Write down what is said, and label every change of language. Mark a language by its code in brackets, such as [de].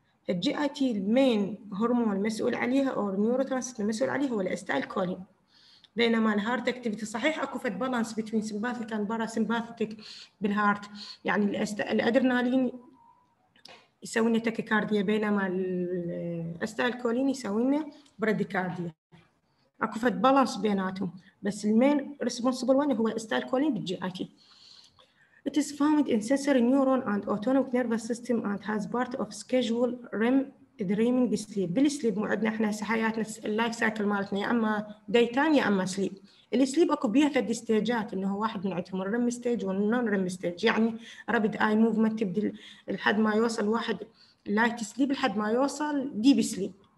[ar] الجي اي تي المين هرمون المسؤول عليها او النيورو ترانسميتر المسؤول عليها هو الاستايل كولين، بينما الهارت اكتيفيتي صحيح اكو فد بالانس بين سمباثيك اند برا سمباثيك بالهارت، يعني الادرينالين يسوي لنا تاكيكارديا بينما الاستايل كولين يسوي لنا براديكارديا، اكو فد بالانس بيناتهم، بس المين ريسبونسبل وان هو الاستايل كولين بالجي اي تي. [en] It is found in sensory neuron and autonomic nervous system and has part of schedule REM dreaming sleep. [ar] بالسليب مو عندنا احنا حياتنا اللايف سايكل مالتنا، يا اما داي تايم يا اما سليب. السليب اكو بيها ثلاث ستيجات، انه واحد من عندهم الREM stage والنون REM stage، يعني rapid eye movement تبدل لحد ما يوصل واحد لايت سليب لحد ما يوصل ديب سليب.